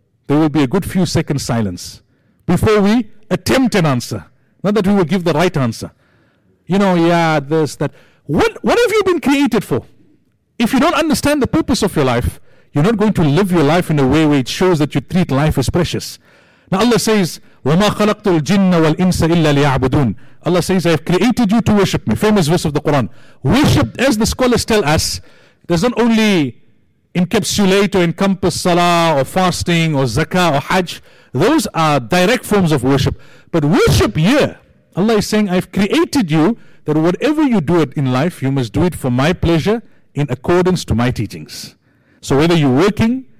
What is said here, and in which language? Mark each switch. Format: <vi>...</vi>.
<en>There will be a good few seconds silence before we attempt an answer. Not that we will give the right answer. You know, yeah, this, that. What have you been created for? If you don't understand the purpose of your life, you're not going to live your life in a way where it shows that you treat life as precious. Now Allah says,</en> <ar>وَمَا خَلَقْتُ الْجِنَّ وَالْإِنسَ إِلَّا لِيَعْبُدُونَ.</ar> <en>Allah says, I have created you to worship me. Famous verse of the Quran. Worship, as the scholars tell us, does not only encapsulate or encompass salah or fasting or zakah or hajj. Those are direct forms of worship. But worship here, Allah is saying, I've created you that whatever you do it in life, you must do it for my pleasure in accordance to my teachings. So whether you're working,</en>